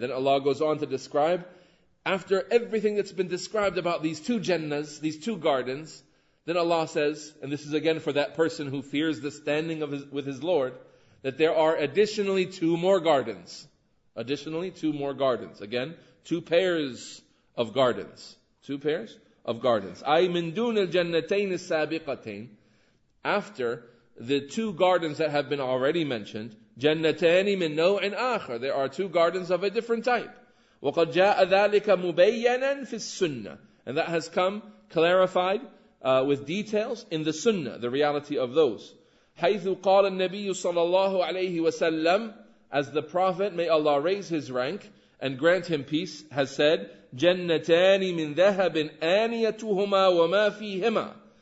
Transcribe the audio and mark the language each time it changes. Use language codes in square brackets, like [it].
[en] Then Allah goes on to describe, after everything that's been described about these two jannas, these two gardens, then Allah says, and this is again for that person who fears the standing of with his Lord, that there are additionally two more gardens. Additionally, two more gardens. Again, two pairs of gardens. Two pairs of gardens. [ar] أي من دون الجنتين السابقتين. [en] After the two gardens that have been already mentioned, [ar] جنتان من نوع آخر. [en] There are two gardens of a different type. [ar] وقد جاء ذلك مبينا في السنة. [en] And that has come clarified with details in the sunnah, the reality of those. [ar] حَيْثُ قَالَ النَّبِيُّ صَلَى اللَّهُ عَلَيْهِ وَسَلَّمُ. [en] As the Prophet, may Allah raise his rank and grant him peace, has said, [ar] جَنَّتَانِ مِنْ ذَهَبٍ آنِيَتُهُمَا وَمَا فِيهِمَا.